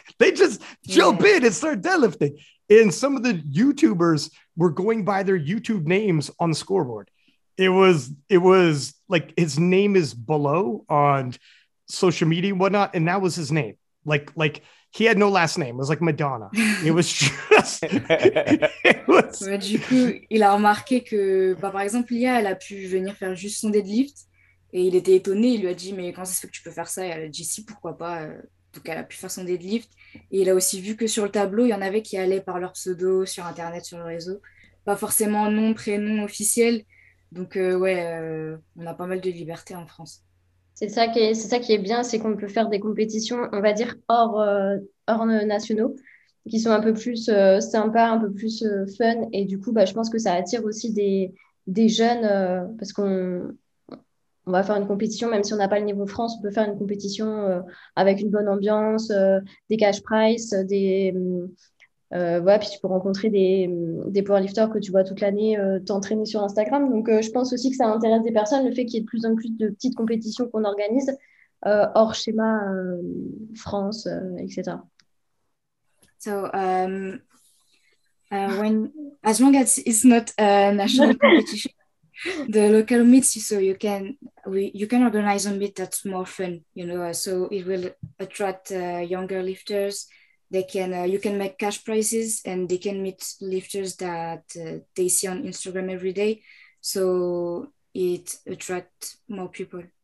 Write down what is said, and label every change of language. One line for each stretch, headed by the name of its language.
English: They just jump in and start deadlifting. And some of the YouTubers were going by their YouTube names on the scoreboard. It was like, his name is Below on social media and whatnot, and that was his name. Like he had no last name. It was like Madonna. It was just...
French: Du coup, il a remarqué que, par exemple, Lia, elle a pu venir faire juste son deadlift, et il était étonné. Il lui a dit, mais comment ça se fait que tu peux faire ça? Et elle a dit, si, pourquoi pas? Donc, elle a pu faire son deadlift. Et il a aussi vu que sur le tableau, il y en avait qui allaient par leur pseudo sur Internet, sur le réseau. Pas forcément nom, prénom officiel. Donc, on a pas mal de liberté en France. C'est ça qui est bien, c'est qu'on peut faire des compétitions, on va dire, hors nationaux, qui sont un peu plus sympas, un peu plus fun. Et du coup, je pense que ça attire aussi des jeunes, parce qu'on... On va faire une compétition, même si on n'a pas le niveau France, on peut faire une compétition avec une bonne ambiance, des cash prizes, Voilà, puis tu peux rencontrer des powerlifters que tu vois toute l'année t'entraîner sur Instagram. Donc, je pense aussi que ça intéresse des personnes, le fait qu'il y ait de plus en plus de petites compétitions qu'on organise hors schéma France, etc.
English: So, when as long as it's not a national competition, the local meets, so you can organize a meet that's more fun, so it will attract younger lifters. They can you can make cash prizes, and they can meet lifters that they see on Instagram every day, so it attracts more people.